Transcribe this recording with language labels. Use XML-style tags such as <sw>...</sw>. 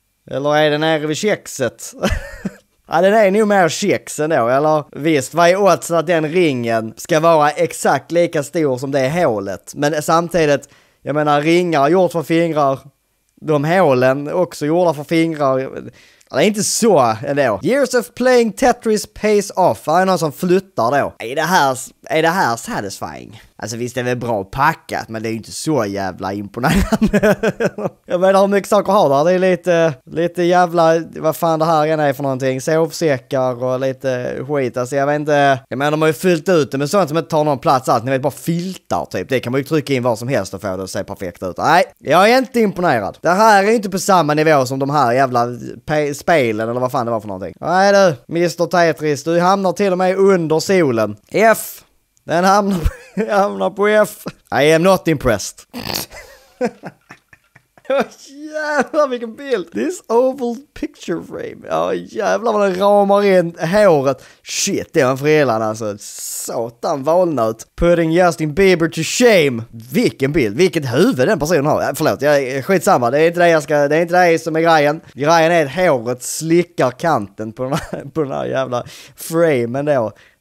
<sv>Eller är det nere vid kexet? Ja, den är nog mer kex ändå, eller? Visst, vad är odds att den ringen ska vara exakt lika stor som det hålet? Men samtidigt, jag menar, ringar gjort för fingrar. De hålen också gjorda för fingrar. Det är inte så ändå.</sv> <en>Years of playing Tetris pays off.</en> <sv>Är det någon som flyttar då? Är det här satisfying? Alltså visst, det är väl bra packat, men det är ju inte så jävla imponerande. Jag menar, hur mycket saker har där? Det är lite jävla, vad fan det här är för någonting. Sovsäckar och lite skit. Alltså jag vet inte. Jag menar, de har ju fyllt ut det med sånt som inte tar någon plats alls. Ni vet, bara filtar typ. Det kan man ju trycka in vad som helst och få det att se perfekt ut. Nej, jag är inte imponerad. Det här är inte på samma nivå som de här jävla spelen eller vad fan det var för någonting. Nej du, Mr. Tetris, du hamnar till och med under solen. F! Den hamnar på F.</sv> <en>I am not impressed.</en> <sv>Jävlar vilken bild.</sv> <en>This oval picture frame.</en> <sv>Jävlar vad den ramar in håret. Shit, det var en frillan alltså. Satan, valnöt.</sv> <en>Putting Justin Bieber to shame.</en> <sv>Vilken bild, vilket huvud den personen har. Förlåt, jag är skitsamma. Det är inte det, det är inte det som är grejen. Grejen är att håret slickar kanten på den här jävla framen då.</sv>